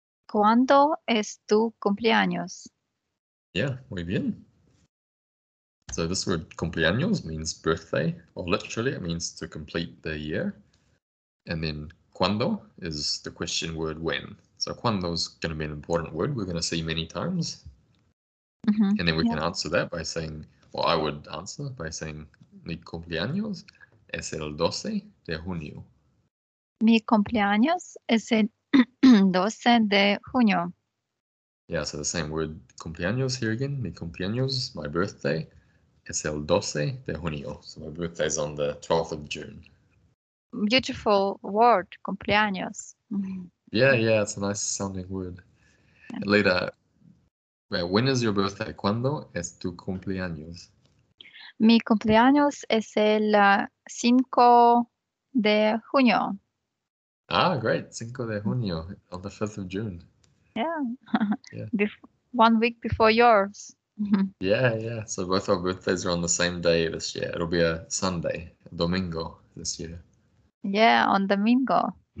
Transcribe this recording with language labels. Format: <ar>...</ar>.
<es>¿Cuándo es tu cumpleaños? Yeah, muy bien.</es> <en>So this word cumpleaños means birthday, or literally it means to complete the year. And then ¿Cuándo is the question word when? So ¿Cuándo is going to be an important word we're going to see many times. And then we can answer that by saying, or I would answer by saying,</en> <es>mi cumpleaños es el 12 de junio. Mi cumpleaños es el 12 de junio.</es> <en>Yeah, so the same word, cumpleaños here again, mi cumpleaños, my birthday,</en> <es>es el 12 de junio.</es> <en>So my birthday is on the 12th of June. Beautiful word, cumpleaños. Yeah, it's a nice sounding word. Later. When is your birthday?</en> <es>¿Cuándo es tu cumpleaños? Mi cumpleaños es el 5 de junio.</es> <en>Ah, great.</en> <es>5 de junio,</es> <en>on the 5th of June. Yeah. One week before yours. Yeah. So both our birthdays are on the same day this year. It'll be a Sunday, a domingo this year. Yeah, on domingo.</en>